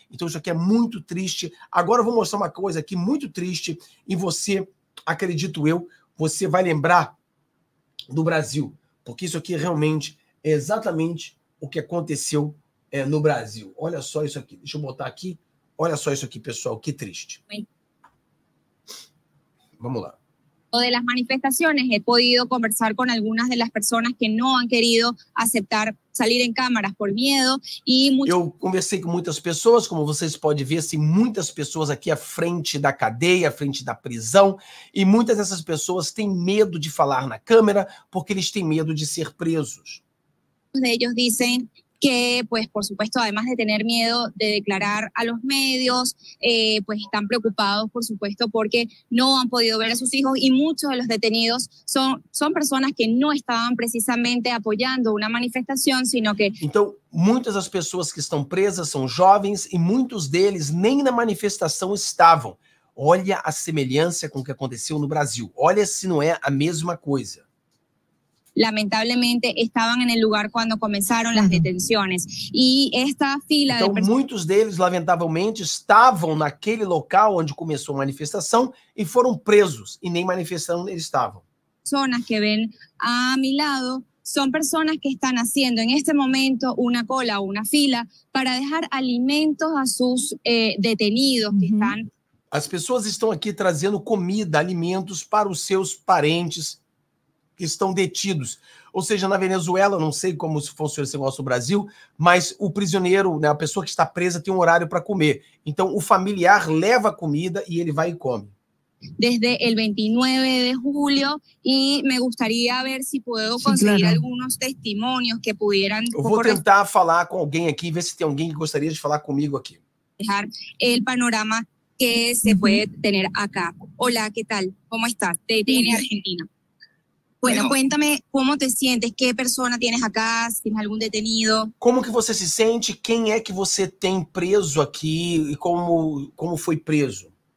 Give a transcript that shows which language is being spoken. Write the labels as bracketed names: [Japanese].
[Portuguese] Então isso aqui é muito triste. Agora eu vou mostrar uma coisa aqui muito triste e você, acredito eu, você vai lembrar do Brasil, porque isso aqui realmente é exatamente o que aconteceu no Brasil. Olha só isso aqui, deixa eu botar aqui. Olha só isso aqui, pessoal, que triste. Vamos lá. [Spanish] De las manifestaciones, he podido conversar con algunas de las personas que no han querido aceptar salir en cámaras por miedo. Eu conversei com muitas pessoas, como vocês podem ver, assim, muitas pessoas aqui à frente da cadeia, à frente da prisão, e muitas dessas pessoas têm medo de falar na câmera porque eles têm medo de ser presos. Muitos deles dizem que, pues, por supuesto, además de tener miedo de declarar a los medios, pues están preocupados, por supuesto, porque no han podido ver a sus hijos y muchos de los detenidos son personas que no estaban precisamente apoyando una manifestación, sino que... [Portuguese] Então, muitas das pessoas que estão presas são jovens e muitos deles nem na manifestação estavam. Olha a semelhança com o que aconteceu no Brasil. Olha se não é a mesma coisa. [Spanish] Lamentablemente [Portuguese] estavam em el lugar quando começaram as detenções. E esta fila. Então, muitos deles, lamentavelmente, estavam naquele local onde começou a manifestação e foram presos, e nem manifestando eles estavam. Pessoas que vêm [Spanish] a mi lado [Portuguese] são pessoas que estão fazendo, em este momento, uma cola ou uma fila para deixar alimentos a seus detenidos que estão. As pessoas estão aqui trazendo comida, alimentos para os seus parentes que estão detidos. Ou seja, na Venezuela, não sei como funciona esse negócio no Brasil, mas o prisioneiro, né, a pessoa que está presa, tem um horário para comer. Então, o familiar leva a comida e ele vai e come. [Spanish] Desde el 29 de julio, y me gustaría ver si puedo conseguir algunos testimonios que pudieran... [Portuguese] Eu vou tentar falar com alguém aqui, ver se tem alguém que gostaria de falar comigo aqui. [Spanish] Dejar el panorama que se puede tener acá. Hola, ¿qué tal? ¿Cómo estás? Te tiene Argentina. Bueno, cuéntame cómo te sientes, qué persona tienes acá, si tienes algún detenido. [Portuguese] Como que você se sente? Quem é que você tem preso aqui e como foi preso?